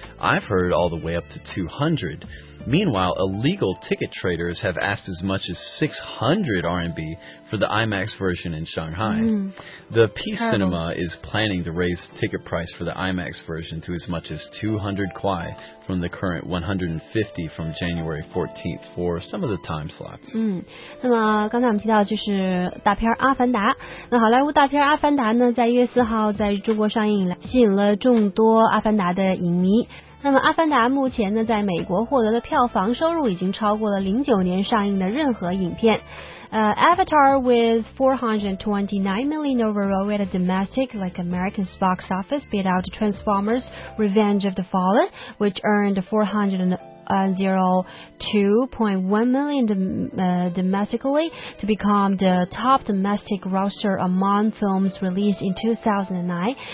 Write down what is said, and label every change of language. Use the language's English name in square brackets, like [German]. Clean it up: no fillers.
[English] I've heard all the way up to 200. Meanwhile, illegal ticket traders have asked as much as 600 RMB for the IMAX version in Shanghai. The Peace Cinema is planning to raise the ticket price for the IMAX version to as much as 200 kwai from the current 150 from January 14th for some of the time slots. [Chinese] 那么刚才我们提到就是大片阿凡达，那好莱坞大片阿凡达呢在1月4号在中国上映，吸引了众多阿凡达的影迷。那么阿凡达目前呢在美国获得的票房收入已经超过了09年上映的任何影片。 [English] Avatar with 429 million overall at a domestic, like American's box office, beat out Transformers Revenge of the Fallen, which earned 402.1 million domestically to become the top domestic grosser among films released in 2009.